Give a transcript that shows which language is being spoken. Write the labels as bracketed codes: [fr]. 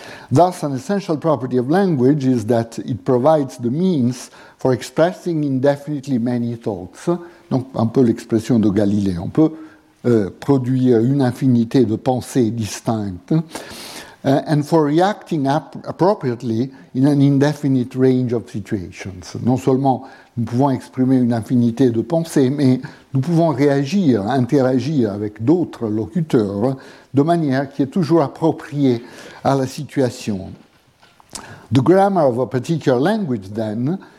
[en] Thus, an essential property of language is that it provides the means for expressing indefinitely many thoughts. [fr] Donc, un peu l'expression de Galilée. On peut produire une infinité de pensées distinctes. [en] And for reacting appropriately in an indefinite range of situations. [fr] Non seulement nous pouvons exprimer une infinité de pensées, mais nous pouvons réagir, interagir avec d'autres locuteurs de manière qui est toujours appropriée à la situation. [en] The grammar of a particular language, then,